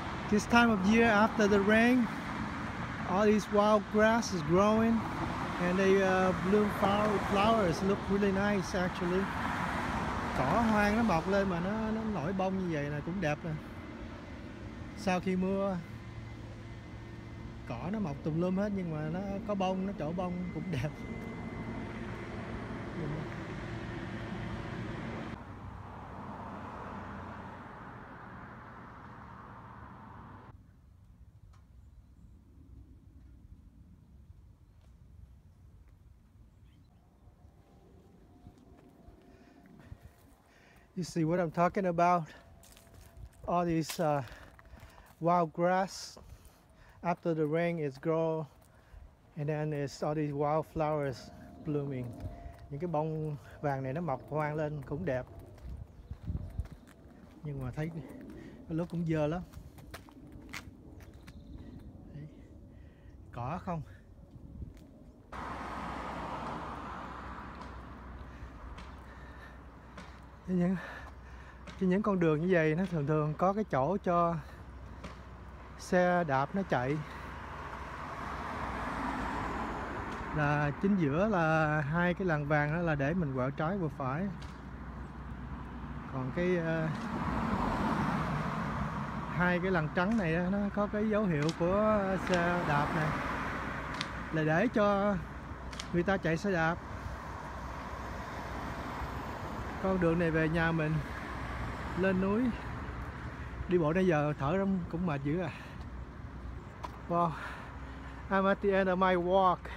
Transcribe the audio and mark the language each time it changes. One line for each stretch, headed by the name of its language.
English: This time of year, after the rain, all these wild grass is growing and they bloom flowers look really nice actually.
Vietnamese: Cỏ hoang nó mọc lên mà nó nổi bông như vậy là cũng đẹp nè. Sau khi mưa, cỏ nó mọc tùm lum hết nhưng mà nó có bông, nó trổ bông cũng đẹp.
English: You see what I'm talking about? All this wild grass after the rain is grow, and then it's all these wild flowers blooming.
Vietnamese: Những cái bông vàng này nó mọc hoang lên cũng đẹp. Nhưng mà thấy lúc cũng dơ lắm. cỏ không. Những con đường như vậy nó thường thường có cái chỗ cho xe đạp nó chạy, là chính giữa là hai cái làn vàng đó là để mình quẹo trái vừa phải. Còn cái hai cái làn trắng này nó có cái dấu hiệu của xe đạp này, là để cho người ta chạy xe đạp. Con đường này về nhà mình lên núi đi bộ nãy giờ thở lắm cũng mệt dữ à.
English: Well, I'm at the end of my walk.